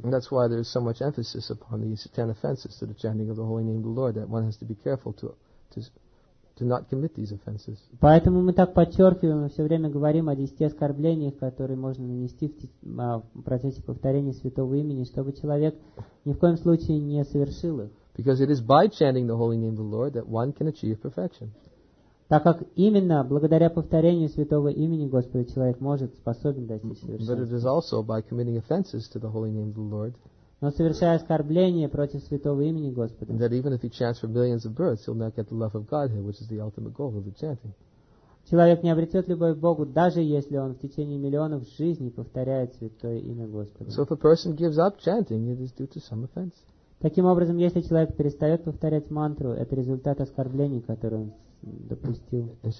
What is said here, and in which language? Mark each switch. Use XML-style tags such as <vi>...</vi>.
<en>And that's why there is so much emphasis upon these 10 offenses to the chanting of the holy name of the Lord, that one has to be careful to not commit these offenses.</en> <ru>Поэтому мы так подчеркиваем и все время говорим о 10 оскорблениях, которые можно нанести в процессе повторения святого имени, чтобы человек ни в коем случае не совершил их.</ru> <en>Because it is by chanting the holy name of the Lord that one can achieve perfection.</en> <ru>Так как именно благодаря повторению святого имени Господа человек может способен достичь совершенства.</ru> <en>But it is also by committing offenses to the holy name of the Lord.</en> <ru>Но совершая оскорбление против святого имени Господа.</ru> <en>That even if he chants for millions of births, he'll not get the love of Godhead, which is the ultimate goal of the chanting.</en> <ru>Человек не обретет любовь к Богу, даже если он в течение миллионов жизней повторяет святое имя Господа.</ru> <en>So if a person gives up chanting, it is due to some offense.</en> <ru>Таким образом, если человек перестает повторять мантру, это результат оскорблений, которые он допустил.</ru>